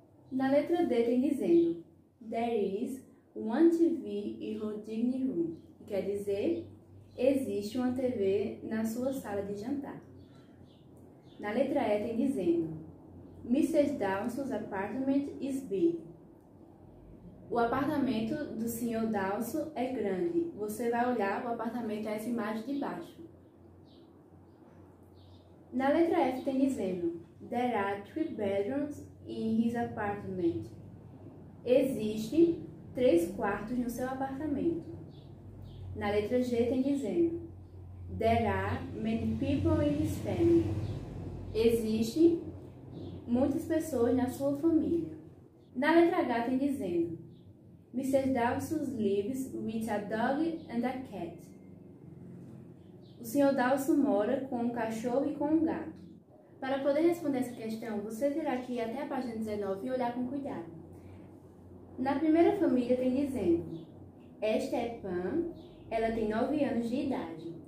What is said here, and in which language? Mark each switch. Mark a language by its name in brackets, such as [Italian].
[Portuguese] Na letra D tem dizendo: [English] there is 1 TV in her dining room. [Portuguese] Quer dizer, existe uma TV na sua sala de jantar. Na letra E tem dizendo: Mr. [English] Dawson's apartment is big. [Portuguese] O apartamento do Sr. Dawson é grande. Você vai olhar o apartamento nessa imagem de baixo. Na letra F tem dizendo: [English] there are 3 bedrooms in his apartment. [Portuguese] Existe 3 quartos no seu apartamento. Na letra G tem dizendo: [English] there are many people in his family. [Portuguese] Existem muitas pessoas na sua família. Na letra H tem dizendo: Mr. [English] Dawson lives with a dog and a cat. [Portuguese] O Sr. Dawson mora com um cachorro e com um gato. Para poder responder essa questão, você terá que ir até a página 19 e olhar com cuidado. Na primeira família tem dizendo: esta é Pam, ela tem 9 anos de idade.